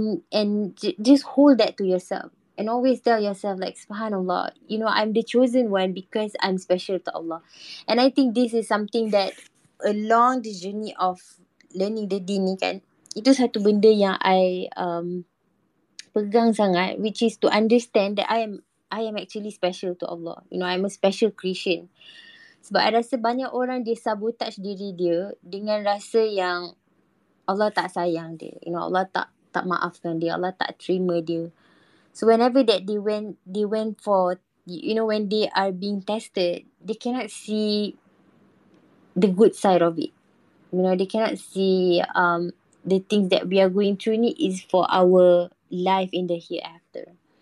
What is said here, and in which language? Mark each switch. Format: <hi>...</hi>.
<en>And just hold that to yourself and always tell yourself like, subhanAllah, you know, I'm the chosen one because I'm special to Allah. And I think this is something that along the journey of learning the deen</en> <ms>ni kan, itu satu benda yang I pegang sangat,</ms> <en>which is to understand that I am actually special to Allah. You know, I'm a special creation.</en> <ms>Sebab I rasa banyak orang dia sabotage diri dia dengan rasa yang Allah tak sayang dia.</ms> <en>You know,</en> <ms>Allah tak maafkan dia. Allah tak terima dia.</ms> <en>So whenever that they went for, you know, when they are being tested, they cannot see the good side of it. You know, they cannot see the things that we are going through ni is for our life in the hereafter.</en>